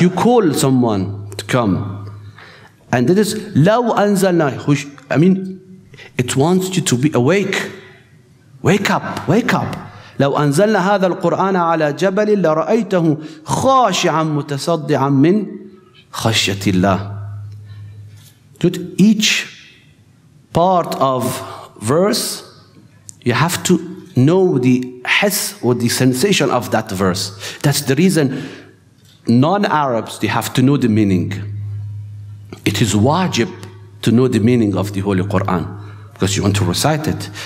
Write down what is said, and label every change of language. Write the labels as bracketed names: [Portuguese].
[English] You call someone to come. And it is law anzalna. I mean, it wants you to be awake. Wake up, wake up. [Arabic] لو أنزلنا هذا القرآن على جبل لرأيته خاشعا متصدعا من خشية الله. [English] Dude, each part of verse, you have to know the hiss or the sensation of that verse. That's the reason non-Arabs, they have to know the meaning. It is wajib to know the meaning of the Holy Quran because you want to recite it.